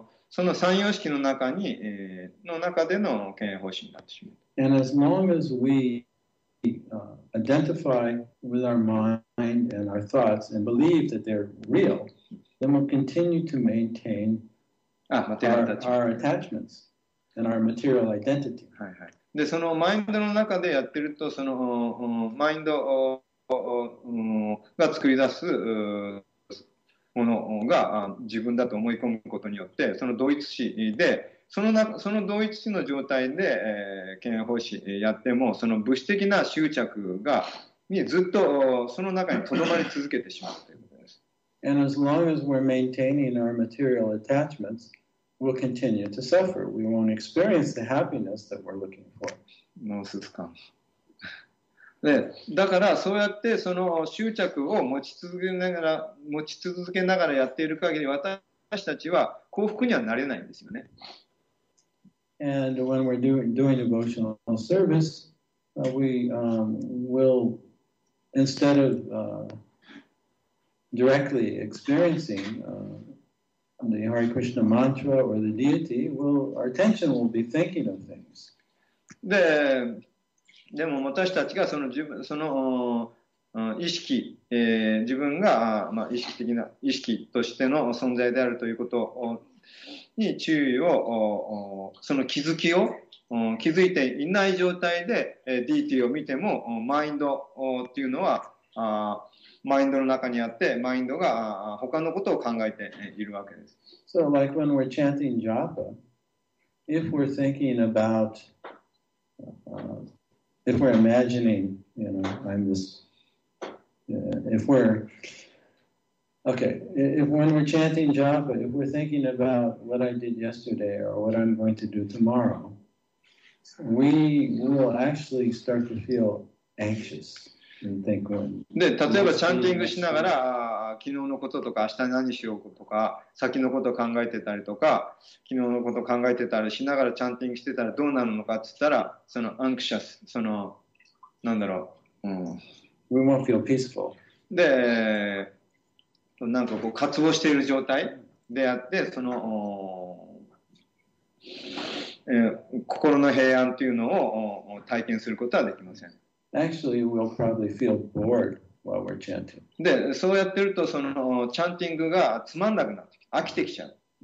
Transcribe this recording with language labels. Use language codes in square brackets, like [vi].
[ja] その三様式の中に、の中での嫌悪方針になってしまう。 [en] And as long as weidentify with our mind and our thoughts and believe that they're real, then we'll continue to maintain our attachments and our material identity. [ja] はい、はい、でそのマインドの中でやってると、そのマインドが作り出すものが自分だと思い込むことによって、その同一視で、その同一視の状態で嫌悪欲しやっても、その物質的な執着がずっとその中にとどまり続けてしまうということです。 [en] And as long as we're maintaining our material attachments, we'll continue to suffer. We won't experience the happiness that we're looking for. ノースズカン。 [ja] ね、だからそうやってその執着を持ち続けながらやっている限り私たちは幸福にはなれないんですよね。 [en] And when we're doing devotional service, we will instead of directly experiencing the Hare Krishna mantra or the deity, our attention will be thinking of things. [ja] でも私たちがその自分その意識、自分が、まあ、意識的な意識としての存在であるということをに注意をその気づきを気づいていない状態で DT を見てもマインドっていうのはマインドの中にあってマインドが他のことを考えているわけです。 [en] So like when we're chanting japa, if we're thinking about, if we're imagining, you know, I'm this, if we're,Okay, if when we're chanting japa, if we're thinking about what I did yesterday or what I'm going to do tomorrow, we will actually start to feel anxious and think when... [ja] で、例えばチャンティングしながら、昨日のこととか明日何しようとか、先のことを考えてたりとか、昨日のことを考えてたりしながらチャンティングしてたらどうなるのかって言ったら、その anxious、その、なんだろう。 [en] We won't feel peaceful. [ja] で、なんかこう渇望している状態であってその、心の平安というのを体験することはできません。 [en] Actually, we'll probably feel bored while we're chanting. [ja] でそうやってるとそのチャンティングがつまんなくなってきて飽きてきちゃう。